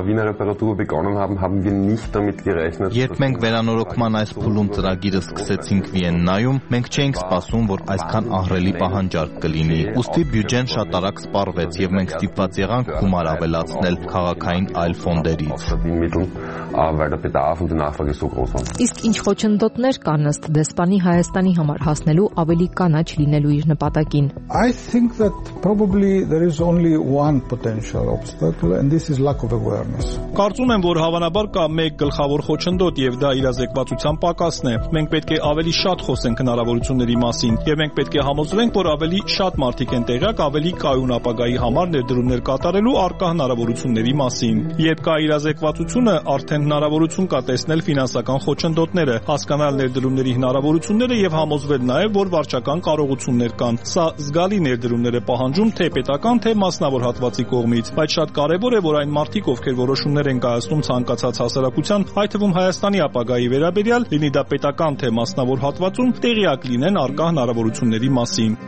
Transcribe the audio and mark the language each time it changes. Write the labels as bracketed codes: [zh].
[hy] Երբ մենք վերանորոգման այս փուլում ծրագիրը սկսեցինք Վիեննայում, մենք չէինք սպասում, որ այսքան ահռելի պահանջարկ կլինի։ Ուստի բյուջեն շատ արագ սպառվեց եւ մենք ստիպված եղանք գումար ավելացնել քաղաքային այլ ֆոնդերից։ Իսկ ինչ խոչընդոտներ կան ըստ դեսպանի Հայաստանի համար հասնելու ավելի կանաչ լինելու իր նպատակին։ [en] I think that probably there is only one potential obstacle and this is lack of awareness. [hy] Կարծում եմ, որ հավանաբար կա մեկ գլխավոր խոչընդոտ եւ դա իրազեկվածության պակասն է։ Մենք պետք է ավելի շատ խոսենք հնարավորությունների մասին եւ մենք պետք է համոզվենք, որ ավելի շատ մարդիկ են տեղյակ ավելի կայուն ապագայի համար ներդրումներ կատարելու առկա հնարավորությունների մասին։ Երբ կա իրազեկվածությունը, արդեն հնարավորություն կա տեսնել ֆինանսական խոչընդոտները, հասկանալ ներդրումների հնարավորությունները եւ համոզվել նաեւ, որ վարչական կարողություններ կան։ Սա զգալի ներդրումներ է պահանջում թե պետական, թե մասնավոր հատվածի կողմից, բայց շատ կարևոր է, որ այն մարդիկ, ովքեր որոշումներ են կայացնում ցանկացած հասարակության, այդ թվում Հայաստանի ապագայի վերաբերյալ, լինի դա պետական, թե մասնավոր հատվածում, տեղյակ լինեն առկա հնարավորությունների մասին։